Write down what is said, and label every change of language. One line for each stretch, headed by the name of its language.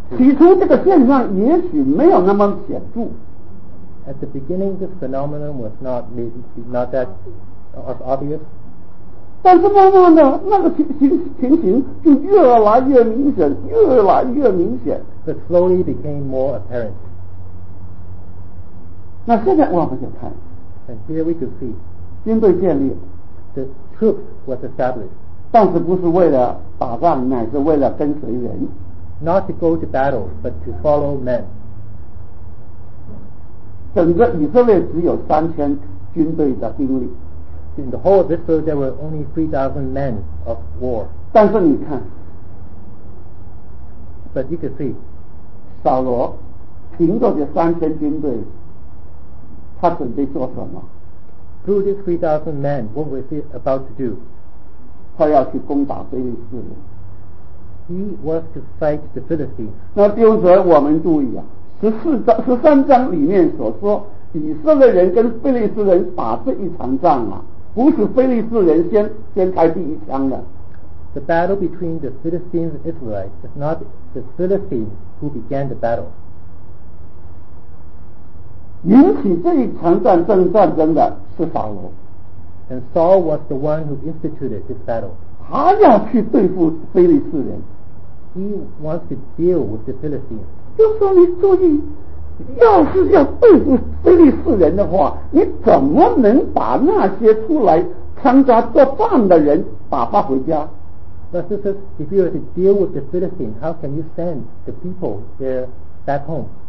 Chinese: 起初这个现象也许没有那么显著。
English: At the beginning, this phenomenon was not that obvious.
Chinese: 但是慢慢的，那个情形就越来越明显，越来越明显。
English: But slowly became more apparent.
Chinese: 那现在我们就看，
English: And here we could see,
Chinese: 军队建立，
English: the troops was established.
Chinese: 但是不是为了打仗，乃是为了跟随人。
English: Not to go to battle, but to follow men.
Chinese: 整个以色列只有三千军队的兵力。
English: In the whole of Israel, there were only 3,000 men of war.
Chinese: 但是你看，
English: but you could see,
Chinese: 扫罗凭着这三千军队。他准备做什么？
English: Through these 3,000 men, what was he about to do?
Chinese: 他要去攻打非利士人。
English: He was to fight the Philistines.
Chinese: 那弟兄姊妹，我们注意啊，十三章里面所说，以色列人跟非利士人打这一场仗啊，不是非利士人先开第一枪的。
English: The battle between the Philistines and Israelites is not the Philistines who began the battle.
Chinese: 引起这一场战争的是扫罗。
English: And Saul was the one who instituted this battle.
Chinese: 他要去对付非利士人。
English: He wants to deal with the Philistines.
Chinese: 就说你注意，要是要对付非利士人的话，你怎么能把那些出来参加作战的人打发回家？
English: But this is, if you were to deal with the Philistines, how can you send the people there back home?